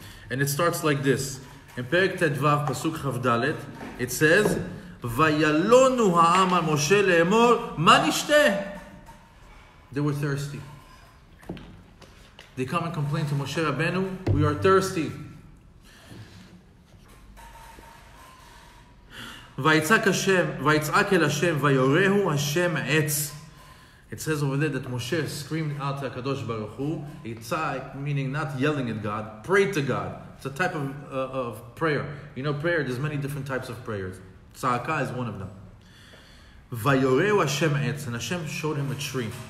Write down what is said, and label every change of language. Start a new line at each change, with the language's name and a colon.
English: And it starts like this. In Perek Tedvav, Pasuk Chavdalet, it says,
Hebrew: Vayalonu ha'am al Moshe le'emor, ma nishteh?
English: They were thirsty. They come and complain to Moshe Rabbeinu, we are thirsty.
Hebrew: ויצעק השם, ויצעק אל השם, ויורהו השם עץ.
English: It says over there that Moshe screamed out to HaKadosh Baruch Hu, Yitzak, meaning not yelling at God, pray to God. It's a type of prayer. You know, prayer, there's many different types of prayers. Tzaka is one of them.
Hebrew: Vayorehu Hashem etz,
English: and Hashem showed him a tree.